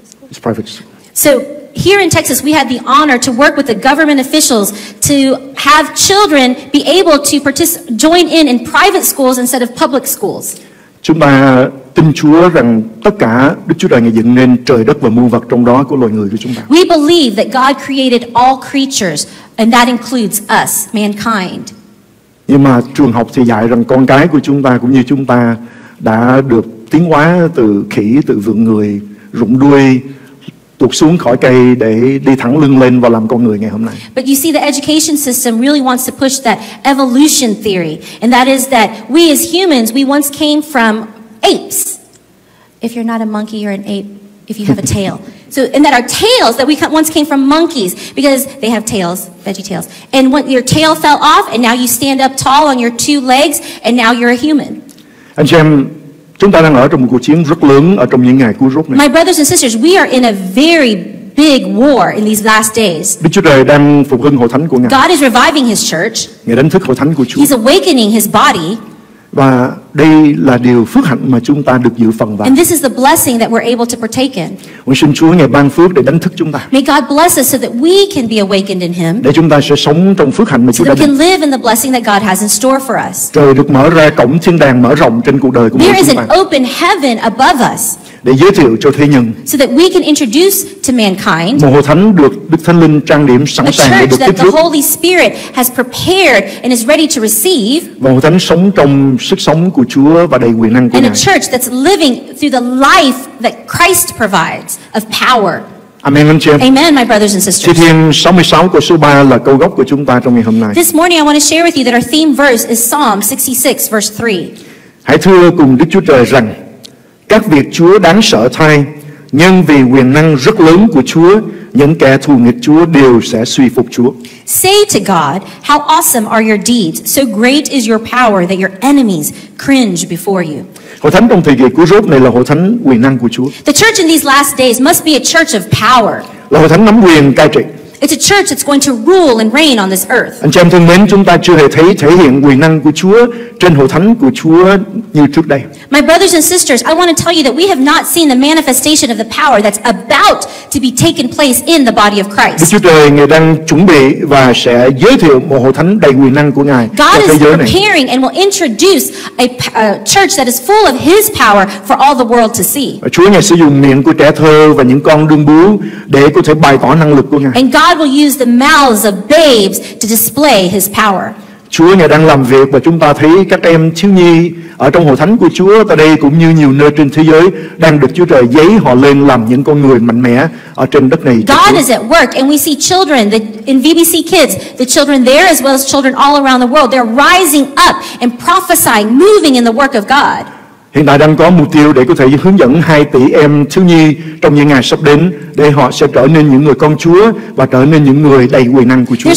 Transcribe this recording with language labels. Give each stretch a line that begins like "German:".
English: It's private. So here in Texas, we had the honor to work with the government officials to have children be able to join in private schools instead of public schools.
Vietnamese: Chúng ta tin Chúa rằng tất cả Đức Chúa Trời ngài dựng nên trời đất và muôn vật trong đó của loài người của chúng ta.
English: We believe that God created all creatures, and that includes us, mankind.
Vietnamese: Nhưng mà trường học thì dạy rằng con cái của chúng ta cũng như chúng ta đã được tiến hóa từ khỉ, từ vượn người, rụng đuôi, tuột xuống khỏi cây để đi thẳng lưng lên và làm con người ngày hôm nay.
English: But you see, the education system really wants to push that evolution theory, and that is that we as humans, we once came from apes. If you're not a monkey, you're an ape if you have a tail. So, and that our tails, that we once came from monkeys because they have tails, veggie tails. And when your tail fell off and now you stand up tall on your two legs and now you're a human.
Vietnamese: Anh chị em, chúng ta đang ở trong một cuộc chiến rất lớn ở trong những ngày cuối rốt này.
English: My brothers and sisters, we are in a very big war in these last days.
Vietnamese: Đức Chúa Trời đang phục hưng hội thánh của Ngài.
English: God is reviving his church.
Vietnamese: Ngài đánh thức hội thánh của Chúa.
English: He's awakening his body.
Vietnamese: Và đây là điều phước hạnh mà chúng ta được dự phần vào.
English: And this is the blessing that we're able to partake in.
Vietnamese: Nguyện xin Chúa ngài ban phước để đánh thức chúng ta.
English: May God bless us so that we can be awakened in Him.
Vietnamese: Để chúng ta sẽ sống trong phước hạnh mà Chúa đã ban.
English: So that we can live in the blessing that God has in store for us.
Vietnamese: Trời được mở ra, cổng thiên đàng mở rộng trên cuộc đời của chúng ta.
English: There is an open heaven above us.
Vietnamese: Để giới thiệu cho thế nhân.
English: So that we can introduce to mankind.
Vietnamese: Một hội thánh được Đức Thánh Linh trang điểm sẵn sàng để được tiếp rước.
English: A church that the Holy Spirit has prepared and is ready to receive.
Vietnamese: Một hội thánh sống trong sức sống của Chúa và đầy quyền năng của Ngài.
English: And a church that's living through the life that Christ provides of power.
Vietnamese: Amen, anh chị em.
English: Amen, my brothers and sisters.
Vietnamese: Thi Thiên 66 câu số 3 là câu gốc của chúng ta trong ngày hôm nay.
English: This morning I want to share with you that our theme verse is Psalm 66 verse 3.
Vietnamese: Hãy thưa cùng Đức Chúa Trời rằng các việc Chúa đáng sợ thay, nhưng vì quyền năng rất lớn của Chúa, những kẻ thù nghịch Chúa đều sẽ suy phục Chúa.
English: Say to God, how awesome are your deeds, so great is your power that your enemies cringe before you.
Vietnamese: Hội thánh trong thời kỳ cuối rốt này là hội thánh quyền năng của Chúa.
English: The church in these last days must be a church of power.
Vietnamese: Là hội thánh nắm quyền cai trị.
English: It's a church that's going to rule and reign on this earth.
Vietnamese: Anh chị em thân mến, chúng ta chưa hề thấy thể hiện quyền năng của Chúa trên hội thánh của Chúa như trước đây.
English: My brothers and sisters, I want to tell you that we have not seen the manifestation of the power that's about to be taken place in the body of Christ.
Vietnamese: Đức Chúa Trời ngài đang chuẩn bị và sẽ giới thiệu một hội thánh đầy quyền năng của ngài cho thế giới này.
English: God is preparing and will introduce a church that is full of His power for all the world to see.
Vietnamese: Chúa ngài sử dụng miệng của trẻ thơ và những con đương bú để có thể bày tỏ năng lực của ngài.
English: And God will use the mouths of babes to display His power.
Vietnamese: Chúa ngài đang làm việc và chúng ta thấy các em thiếu nhi ở trong hội thánh của Chúa tại đây cũng như nhiều nơi trên thế giới đang được Chúa Trời dấy họ lên làm những con người mạnh mẽ ở trên đất này.
English: God is at work and we see children in VBC Kids, the children there as well as children all around the world, they're rising up and prophesying, moving in the work of God.
Vietnamese: Hiện tại đang có mục tiêu để có thể hướng dẫn 2 tỷ em thiếu nhi trong những ngày sắp đến để họ sẽ trở nên những người con Chúa và trở nên những người đầy quyền năng của Chúa.